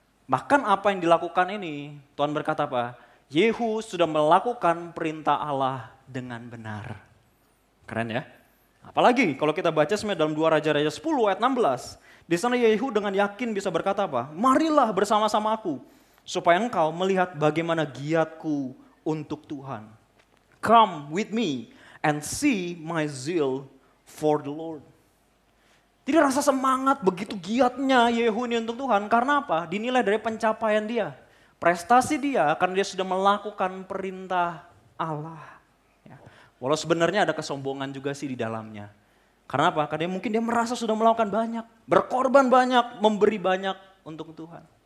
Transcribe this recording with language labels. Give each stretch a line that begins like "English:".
Indonesian: Bahkan apa yang dilakukan ini, Tuhan berkata apa? Yehu sudah melakukan perintah Allah dengan benar. Keren ya? Apalagi kalau kita baca sebenarnya dalam 2 Raja-Raja 10 ayat 16. Di sana Yehu dengan yakin bisa berkata apa? Marilah bersama-sama aku, supaya engkau melihat bagaimana giatku untuk Tuhan.
English: Come with me and see my zeal for the Lord.
Indonesian: Jadi rasa semangat begitu giatnya Yehu ini untuk Tuhan. Karena apa? Dinilai dari pencapaian dia. Prestasi dia karena dia sudah melakukan perintah Allah. Ya. Walau sebenarnya ada kesombongan juga sih di dalamnya. Karena apa? Karena mungkin dia merasa sudah melakukan banyak. Berkorban banyak, memberi banyak untuk Tuhan.